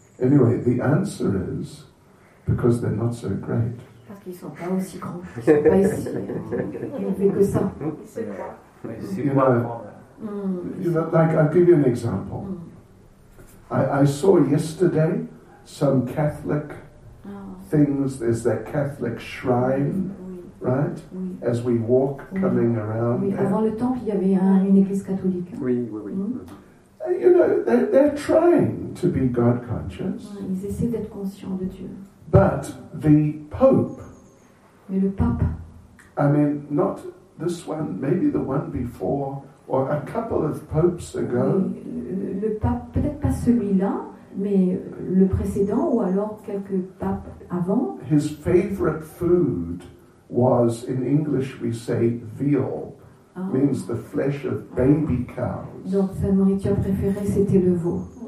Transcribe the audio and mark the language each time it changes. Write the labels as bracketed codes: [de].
[en] Anyway, the answer is because they're not so great. [fr] Parce qu'ils sont pas aussi grands, ils sont pas ici. Ils ne font que ça. C'est quoi? [en] I'll give you an example. I saw yesterday some Catholic things. There's that Catholic shrine, right? [fr] Oui. [en] As we walk coming around. [fr] Oui, avant le temple, il y avait une église catholique. Oui. Mm. [en] You know, they're trying to be God conscious. [fr] Ils essaient d'être conscients de Dieu. [en] But the Pope. [fr] Mais le pape. [en] I mean, not this one, maybe the one before, or a couple of popes ago. [fr] Le pape, peut-être pas celui-là, mais le précédent ou alors quelques papes avant. [en] His favorite food was, in English we say veal, means the flesh of baby cows. [fr] Donc sa nourriture préférée c'était le veau.